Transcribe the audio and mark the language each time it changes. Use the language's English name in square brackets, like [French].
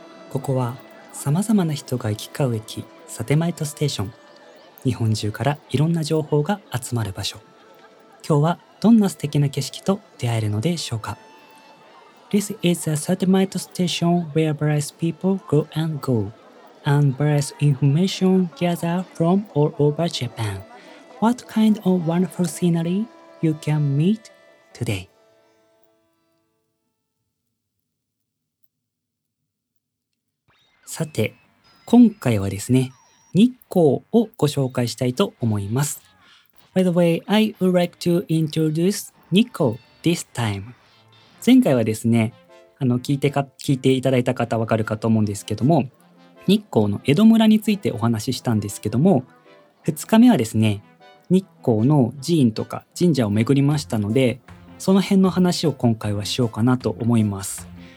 [Japanese] ここはさまざまな人が行き交う駅、サテマイトステーション。日本中からいろんな情報が集まる場所。今日はどんな素敵な景色と出会えるのでしょうか。 [English] This is a satellite station where various people go and go, and various information gather from all over Japan. What kind of wonderful scenery you can meet today? [Japanese] さて、今回はですね、日光をご紹介したいと思います。 [English] By the way, I would like to introduce 日光 this time. [Japanese] 前回はですね、聞いていただいた方わかるかと思うんですけども、日光の江戸村についてお話ししたんですけども、2日目はですね日光の寺院とか神社を巡りましたので、その辺の話を今回はしようかなと思います。